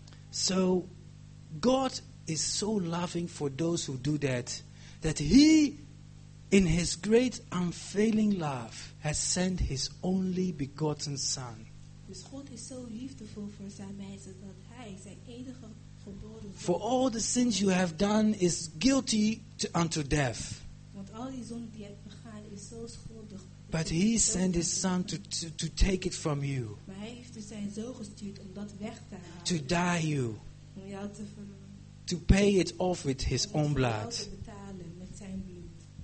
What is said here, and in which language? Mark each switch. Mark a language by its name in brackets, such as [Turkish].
[English] So God is so loving for those who do that, that He, in His great unfailing love, has sent His only begotten Son. [Dutch] Dus God is zo liefdevol voor zijn mensen dat Hij zijn enige geboren zoon. [English] For all the sins you have done is guilty to unto death. [Dutch] Want al die zonden die je hebt begaan is zo schuldig. [English] But He sent His Son to take it from you. [Dutch] Maar Hij heeft dus zijn zoon gestuurd om dat weg te halen. [English] To die you. [Dutch] Om jou te [English] to pay it off with His own blood. [Dutch] Om jou te betalen met zijn bloed.